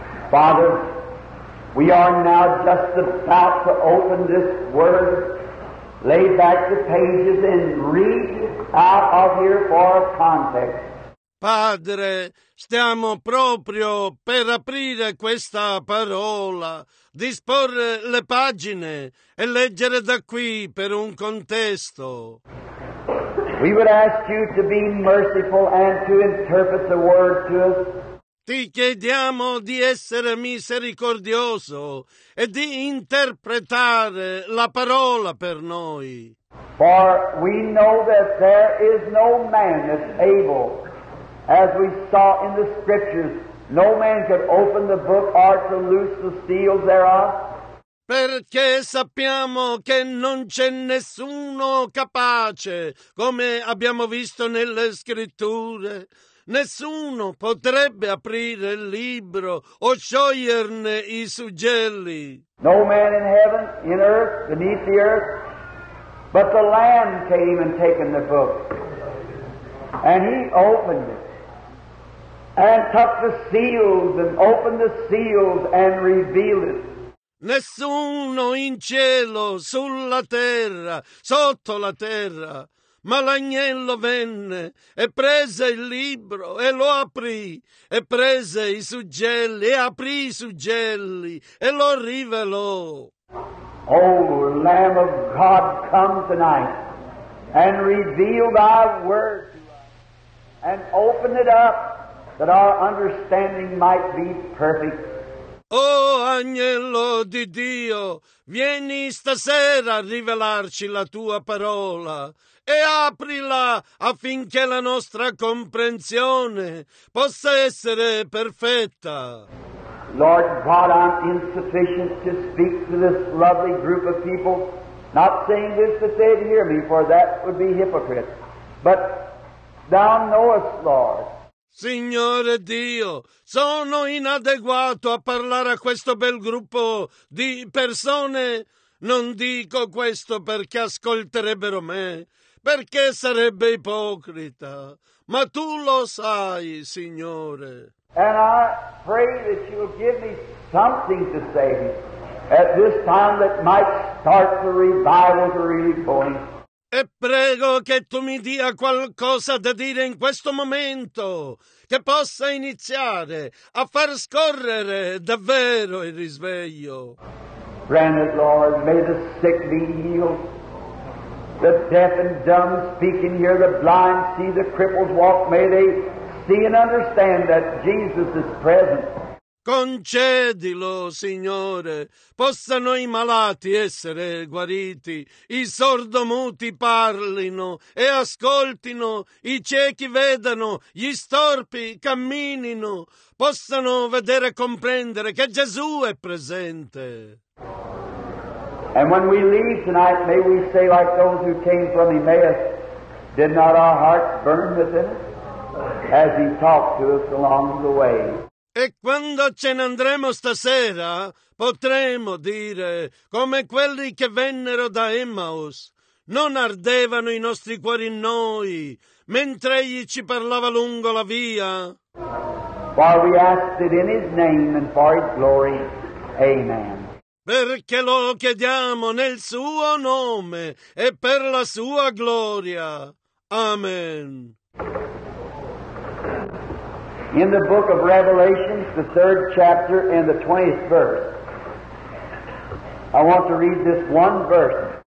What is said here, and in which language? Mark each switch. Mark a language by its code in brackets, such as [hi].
[en] Father, we are now just about to open this word. Lay back the pages and read out of here for context. [it] Padre, stiamo proprio per aprire questa parola, disporre le pagine e leggere da qui per un contesto. [en] We would ask you to be merciful and to interpret the word to us. [it] Ti chiediamo di essere misericordioso e di interpretare la parola per noi. [en] For we know that there is no man that's able. As we saw in the scriptures, no man could open the book or to loose the seals thereof. [it] Perché sappiamo che non c'è nessuno capace, come abbiamo visto nelle scritture. Nessuno potrebbe aprire il libro o scioglierne i suggelli. [en] No man in heaven, in earth, beneath the earth, but the Lamb came and taken the book. And he opened it. And took the seals and opened the seals and revealed it. [it] Nessuno in cielo, sulla terra, sotto la terra, ma l'agnello venne e prese il libro e lo aprì e prese i suggelli e aprì i suggelli e lo rivelò. [en] Oh, Lamb of God, come tonight and reveal thy word to us and open it up. That our understanding might be perfect. [it] Oh, agnello di Dio, vieni stasera a rivelarci la tua parola e aprila affinché la nostra comprensione possa essere perfetta. [en] Lord God, I'm insufficient to speak to this lovely group of people. Not saying this that they'd hear me, for that would be hypocrite. But thou knowest, Lord. [it] Signore Dio, sono inadeguato a parlare a questo bel gruppo di persone. Non dico questo perché ascolterebbero me, perché sarebbe ipocrita. Ma tu lo sai, Signore. [en] And I pray that you will give me something to say at this time that might start the revival to really point. [it] E prego che tu mi dia qualcosa da dire in questo momento, che possa iniziare a far scorrere davvero il risveglio. [en] Grant it, Lord, may the sick be healed, the deaf and dumb speak and hear, the blind see, the cripples walk, may they see and understand that Jesus is present. [it] Concedilo, Signore, possano i malati essere guariti, i sordomuti parlino e ascoltino, i ciechi vedano, gli storpi camminino, possano vedere e comprendere che Gesù è presente. [en] And when we leave tonight, may we say like those who came from Emmaus, did not our hearts burn within us as he talked to us along the way? [it] E quando ce ne andremo stasera, potremo dire, come quelli che vennero da Emmaus, non ardevano i nostri cuori in noi, mentre egli ci parlava lungo la via? [en] While we asked it in his name and for his glory, amen. [it] Perché lo chiediamo nel suo nome e per la sua gloria. Amen. [en] In the book of Revelation, the third chapter and the 20th verse, I want to read this one verse.